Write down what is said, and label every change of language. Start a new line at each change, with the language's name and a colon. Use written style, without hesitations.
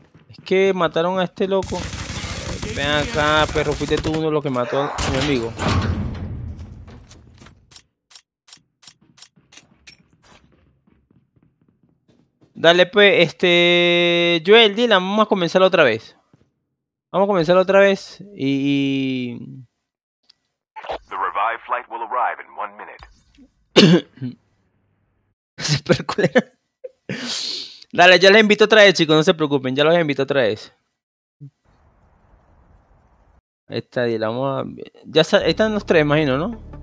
Spanish: Es que mataron a este loco. Ven acá, perro, fuiste tú uno lo que mató a mi amigo. Dale pues, Joel, Dylan, vamos a comenzar otra vez. Vamos a comenzar otra vez y...
English: The revive flight will arrive in 1 minute.
Spanish: Se percule. Dale, ya les invito otra vez, chicos, no se preocupen, ya los invito otra vez. Ahí está, Dylan, vamos a... Ya están los tres, imagino, ¿no?